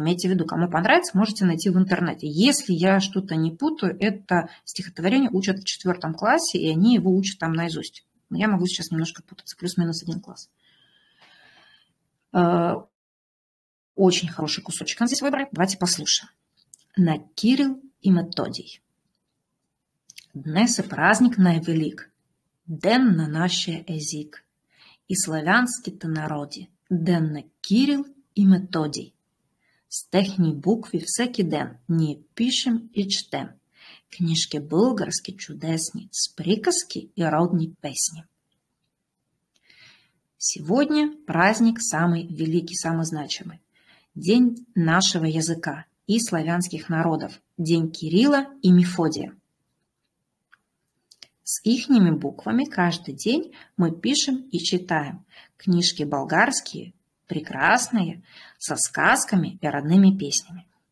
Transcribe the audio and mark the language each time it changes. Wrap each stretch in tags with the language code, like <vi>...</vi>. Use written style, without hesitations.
<ru>Имейте в виду, кому понравится, можете найти в интернете. Если я что-то не путаю, это стихотворение учат в 4 классе, и они его учат там наизусть. Но я могу сейчас немножко путаться. Плюс-минус один класс. Очень хороший кусочек нам здесь выбрали. Давайте послушаем. На Кирилл и Методий.</ru> <bg>Днес е празник най-велик. Ден на нашия език. И славянските народи, ден на Кирил и Методий. С техни букви всеки ден ние пишем и четем. Книжки български чудесни, с приказки и родни песни.</bg> <ru>Сегодня праздник самый великий, самый значимый. День нашего языка и славянских народов. День Кирилла и Мефодия. С ихними буквами каждый день мы пишем и читаем книжки болгарские, прекрасные, со сказками и родными песнями.</ru>